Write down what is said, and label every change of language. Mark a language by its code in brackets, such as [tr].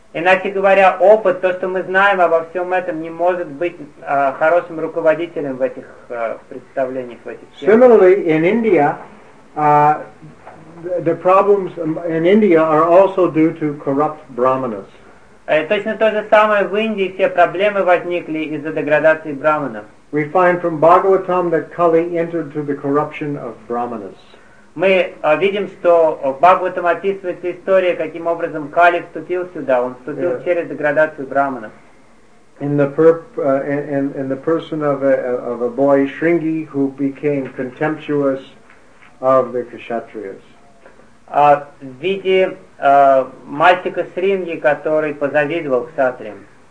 [ru] Иначе говоря, опыт, то, что мы знаем обо всем этом, не может быть хорошим руководителем в этих представлениях, в этих темах. [en] Similarly, in India, the problems in India are also due to corrupt brahmanas. [ru] Точно то же самое в Индии, все проблемы возникли из-за деградации брахманов. [en] We find from Bhagavatam that Kali entered through the corruption of brahmanas. [ru] Мы видим, что в Бхагаватам описывается история, каким образом Кали вступил сюда. Он вступил через деградацию брахманов. [en] In the person of a boy Шринги, who became contemptuous of the Kshatriyas. [ru] В виде мальчика Шринги, который позавидовал кшатриям.